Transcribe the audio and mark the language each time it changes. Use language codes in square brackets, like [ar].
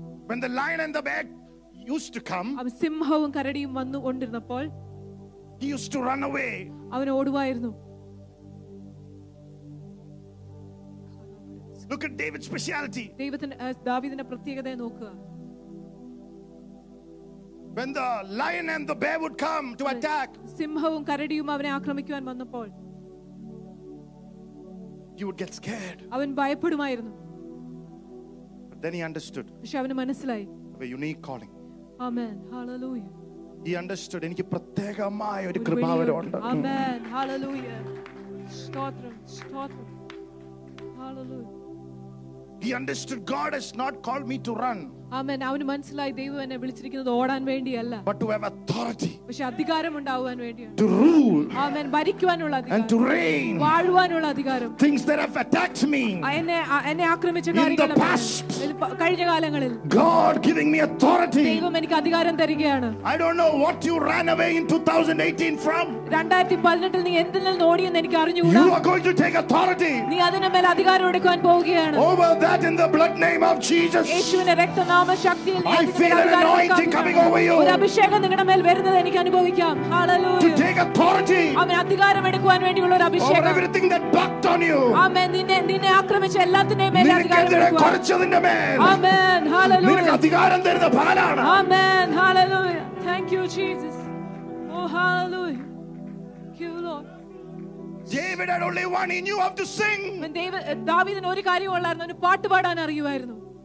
[en] When the lion and the bear used to come, [ml] അവൻ സിംഹവും കരടിയും വന്നു കൊണ്ടിരുന്നപ്പോൾ, [en] he used to run away. [ml] അവൻ ഓടുവായിരുന്നു. [en] Look at David's speciality. [ml] ദാവീദിന്റെ പ്രത്യേകതയെ നോക്കുക. [en] When the lion and the bear would come to attack, [ml] സിംഹവും കരടിയും അവനെ ആക്രമിക്കാൻ വന്നപ്പോൾ, [en] he would get scared. [ml] അവൻ ഭയപ്പെടുമായിരുന്നു. [en] But then he understood. [ml] പക്ഷേ അവന് മനസ്സിലായി. [en] A unique calling. Amen. Hallelujah. He understood. [ml] എനിക്ക് പ്രത്യേകമായ ഒരു കൃപാവരമുണ്ട്. [en] Amen. Hallelujah. സ്തോത്രം. സ്തോത്രം. Hallelujah. He understood God has not called me to run. Amen. [ml] അവന് മനസ്സിലായി, ദൈവം എന്നെ വിളിച്ചിരിക്കുന്നത് ഓടാൻ വേണ്ടിയല്ല. [en] But to have authority. [ml] പക്ഷേ അധികാരം ഉണ്ടാവാൻ വേണ്ടിയാണ്. [en] To rule. [ml] Amen. ഭരിക്കാനുള്ള അധികാരം. [en] And to reign. [ml] വാഴുവാനുള്ള അധികാരം. [en] Things that have attacked me. [ml] എന്നെ ആക്രമിച്ച കാര്യങ്ങളെല്ലാം. കഴിഞ്ഞ കാലങ്ങളിൽ. [en] God giving me authority. [ml] ദൈവം എനിക്ക് അധികാരം തരികയാണ്. [en] I don't know what you ran away in 2018 from. [ml] 2018 ൽ നീ എന്തിൽ നിന്ന് ഓടി എന്ന് എനിക്ക് അറിഞ്ഞുകൂടാ. [en] You are going to take authority. [ml] നീ അതിനമേൽ അധികാരം എടുക്കാൻ പോവുകയാണ്. [en] Over that in the blood name of Jesus. [ml] യേശുവിന്റെ രക്ത [en] I feel an anointing coming over you. [ml] ഒരു അഭിഷേകം നിങ്ങളുടെ മേൽ വരുന്നത് എനിക്ക് അനുഭവിക്കാം. ഹല്ലേലൂയ. [en] To take authority. [ml] അവൻ അധികാരം എടുക്കാൻ വേണ്ടിയുള്ള ഒരു അഭിഷേകം. [en] Over everything that backed on you. [ml] ആമേൻ. നിന്നെ ആക്രമിച്ച എല്ലാത്തിന്റെയും മേൽ അധികാരം എടുക്കാൻ. നിനക്ക് കുറച്ചതിന്റെ മേൽ. ആമേൻ. ഹല്ലേലൂയ. നിനക്ക് അധികാരം തരുന്ന ഫലമാണ്. [en] Amen. Hallelujah. Thank you Jesus. Oh hallelujah. Give Lord. David had only one. He knew how to sing. [ml] ദാവീദിന് ഒരു കാര്യം ഉള്ളായിരുന്നു, അവന് പാട്ട് പാടാൻ അറിയുമായിരുന്നു.